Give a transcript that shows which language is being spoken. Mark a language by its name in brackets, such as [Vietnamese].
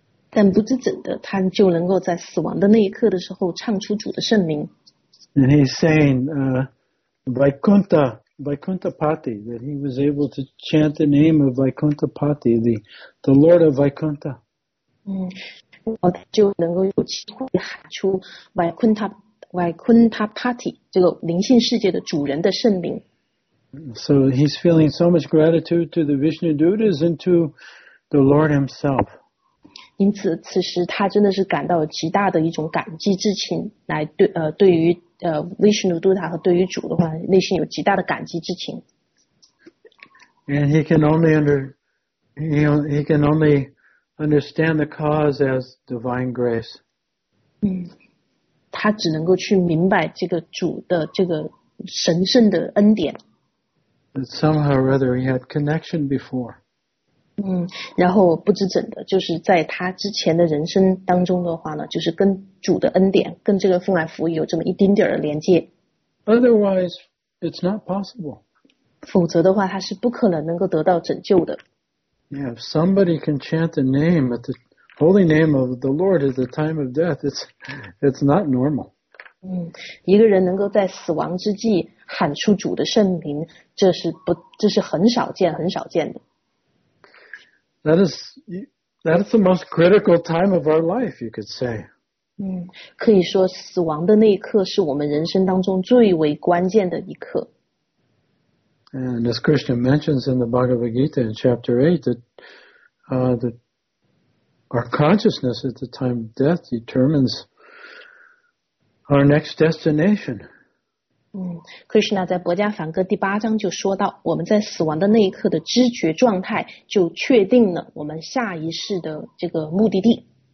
[Chinese] 但不知怎的，他就能够在死亡的那一刻的时候唱出主的圣名。 [English] And he's saying, Vaikuntha, Vaikuntha Pati, that he was able to chant the name of Vaikuntha Pati, the Lord of Vaikuntha. [Chinese] 嗯，然后他就能够有机会喊出 Vaikuntha Pati, 这个灵性世界的主人的圣名。 [English] So he's feeling so much gratitude to the Vishnu Dutas and to the Lord himself. [Chinese] 因此此时他真的是感到极大的一种感激之情，来对对于Vishnu Dutta 和对于主的话，内心有极大的感激之情。 [English] And he can only understand the cause as divine grace. [Chinese] 嗯，他只能够去明白这个主的这个神圣的恩典。 [English] But somehow or other, he had connection before. [Chinese] 嗯，然后不知怎的，就是在他之前的人生当中的话呢，就是跟主的恩典，跟这个风来福音有这么一丁点的连接。 [English] Otherwise, it's not possible. [Chinese] 否则的话，他是不可能能够得到拯救的。 [English] Yeah, if somebody can chant the name at the holy name of the Lord at the time of death, it's not normal. [Chinese] 嗯，一个人能够在死亡之际喊出主的圣名，这是很少见，很少见的。 [English] That is the most critical time of our life, you could say. [Chinese] 嗯，可以说死亡的那一刻是我们人生当中最为关键的一刻。 [English] And as Krishna mentions in the Bhagavad Gita in chapter 8, that our consciousness at the time of death determines our next destination. [Chinese] 嗯， Krishna 在《薄伽梵歌》第八章就说到，我们在死亡的那一刻的知觉状态就确定了我们下一世的这个目的地。